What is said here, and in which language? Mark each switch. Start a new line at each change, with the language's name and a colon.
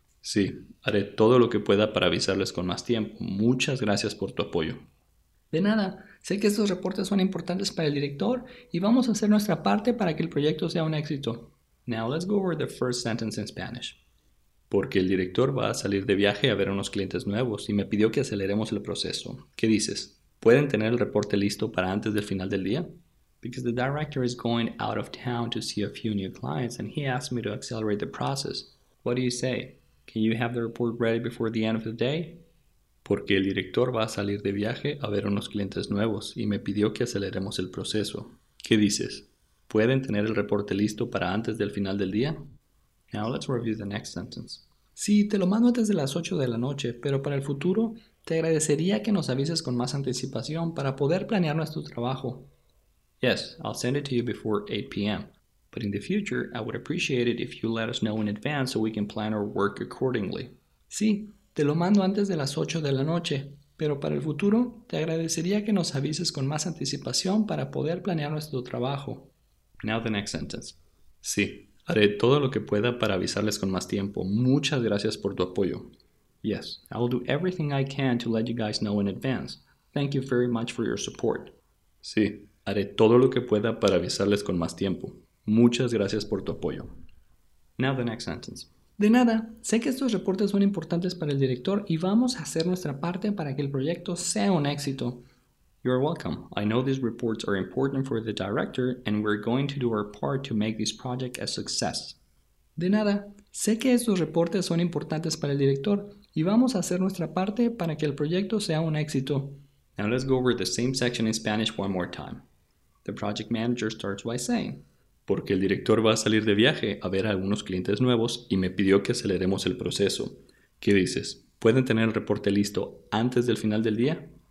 Spanish: Sí, haré todo lo que pueda para avisarles con más tiempo. Muchas gracias por tu apoyo. De nada, sé que estos reportes son importantes para el director y vamos a hacer nuestra parte para que el proyecto sea un éxito.
English: Now let's go over the first sentence in Spanish.
Spanish: Porque el director va a salir de viaje a ver a unos clientes nuevos y me pidió que aceleremos el proceso. ¿Qué dices? ¿Pueden tener el reporte listo para antes del final del día?
English: Because the director is going out of town to see a few new clients and he asked me to accelerate the process. What do you say? Can you have the report ready before the end of the day?
Spanish: Porque el director va a salir de viaje a ver a unos clientes nuevos y me pidió que aceleremos el proceso. ¿Qué dices? ¿Pueden tener el reporte listo para antes del final del día?
English: Now let's review the next sentence.
Spanish: Sí, te lo mando antes de las 8 de la noche, pero para el futuro, te agradecería que nos avises con más anticipación para poder planear nuestro trabajo.
English: Yes, I'll send it to you before 8 p.m. But in the future, I would appreciate it if you let us know in advance so we can plan our work accordingly.
Spanish: Sí, te lo mando antes de las 8 de la noche, pero para el futuro, te agradecería que nos avises con más anticipación para poder planear nuestro trabajo.
English: Now the next sentence.
Spanish: Sí, haré todo lo que pueda para avisarles con más tiempo. Muchas gracias por tu apoyo.
English: Yes, I will do everything I can to let you guys know in advance. Thank you very much for your support.
Spanish: Sí, haré todo lo que pueda para avisarles con más tiempo. Muchas gracias por tu apoyo.
English: Now the next sentence.
Spanish: De nada, sé que estos reportes son importantes para el director y vamos a hacer nuestra parte para que el proyecto sea un éxito.
English: You are welcome. I know these reports are important for the director and we're going to do our part to make this project a success.
Spanish: De nada. Sé que estos reportes son importantes para el director y vamos a hacer nuestra parte para que el proyecto sea un éxito.
English: Now let's go over the same section in Spanish one more time. The project manager starts by saying,
Spanish: porque el director va a salir de viaje a ver a algunos clientes nuevos y me pidió que aceleremos el proceso. ¿Qué dices? ¿Pueden tener el reporte listo antes del final del día?